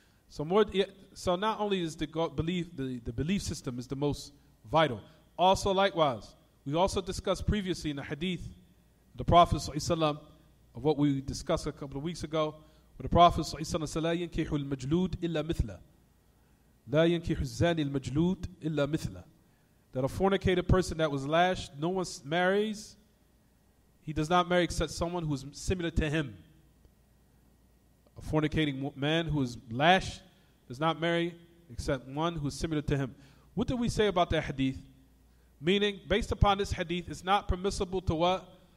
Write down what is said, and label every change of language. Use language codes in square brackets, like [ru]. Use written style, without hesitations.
[en] So not only is the belief system is the most vital. Also, likewise, we also discussed previously in the hadith, the Prophet ﷺ, of what we discussed a couple of weeks ago, where the Prophet ﷺ said, [ar] لا ينكح المجلود إلا مثله. لا ينكح الزاني المجلود إلا مثله. [en] That a fornicated person that was lashed, no one marries, he does not marry except someone who is similar to him. A fornicating man who is lashed does not marry except one who is similar to him. What do we say about that hadith? Meaning, based upon this hadith, it's not permissible to what?